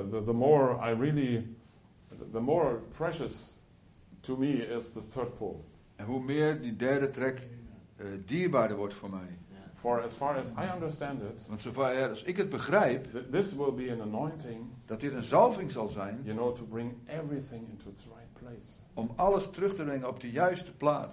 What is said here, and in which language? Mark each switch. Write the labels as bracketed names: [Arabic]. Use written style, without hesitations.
[English] The more I really, the more precious to me is the third pole. [Dutch] En hoe meer die derde trek dierbaarder wordt voor mij. [English] For as far as I understand it, [Dutch] want zover als ik het begrijp, [English] this will be an anointing, [Dutch] dat dit een zalving zal zijn, [English] you know, to bring everything into its right place, [Dutch] om alles terug te brengen op de juiste plaats.